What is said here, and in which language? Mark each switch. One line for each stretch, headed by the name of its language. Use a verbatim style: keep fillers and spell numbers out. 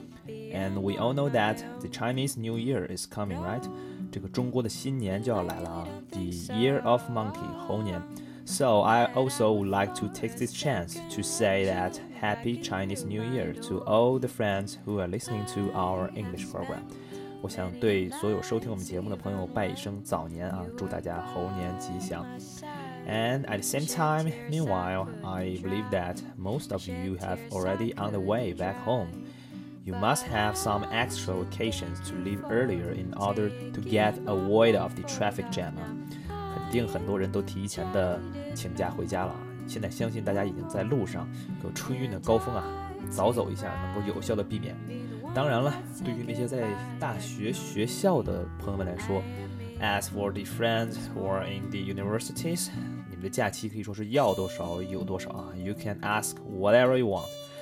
English: And we all know that the Chinese New Year is coming, right?
Chinese: 这个中国的新年就要来了啊 ，
English: The Year of Monkey
Chinese: 猴年。
English: So I also would like to take this chance to say that Happy Chinese New Year to all the friends who are listening to our English program.
Chinese: 我想对所有收听我们节目的朋友拜一声早年啊，祝大家猴年吉祥。
English: And at the same time, meanwhile, I believe that most of you have already on the way back home. You must have some extra occasions to leave earlier in order to get avoid of the traffic jam.
Chinese: 肯定很多人都提前的请假回家了，现在相信大家已经在路上有春运的高峰啊，早走一下能够有效的避免。当然了，对于那些在大学学校的朋友们来说 ，
English: as for the friends who are in the universities，
Chinese: 你们的假期可以说是要多少有多少啊 ，
English: you can ask whatever you want。